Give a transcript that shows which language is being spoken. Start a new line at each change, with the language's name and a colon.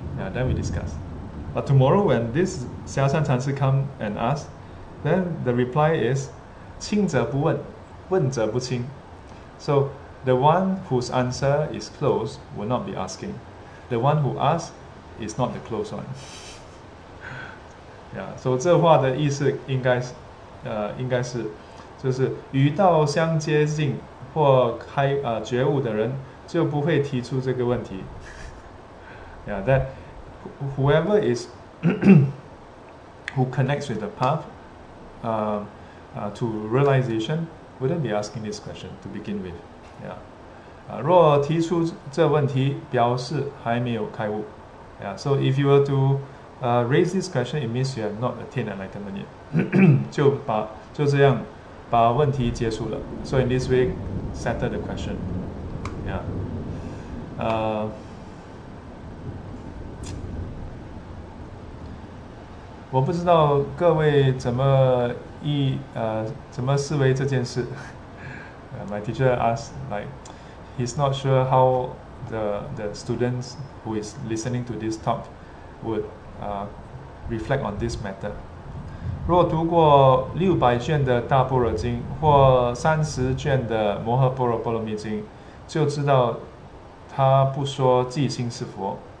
English: Yeah, then we discuss. But tomorrow when this 霞山禅师 come and ask, then the reply is
Chinese: 清者不问, 问者不清.
English: So the one whose answer is close will not be asking. The one who asks is not the close one.
Chinese: Yeah, so 这话的意思应该是 就是与道相接近或开觉悟的人 就不会提出这个问题.
English: Yeah, that whoever is who connects with the path to realization wouldn't be asking this question to begin with. Yeah.
Chinese: 若提出这问题, 表示还没有开悟.
English: Yeah, so if you were to raise this question, it means you have not attained enlightenment yet.
Chinese: 就这样把问题结束了.
English: So in this way, settle the question. Yeah.
Chinese: 我不知道各位怎么意怎么思维这件事。
English: My teacher asked, like, he's not sure how the students who is listening to this talk would reflect on this matter.
Chinese: 若读过600卷的大般若经或30卷的摩诃般若波罗蜜经，就知道他不说即心是佛。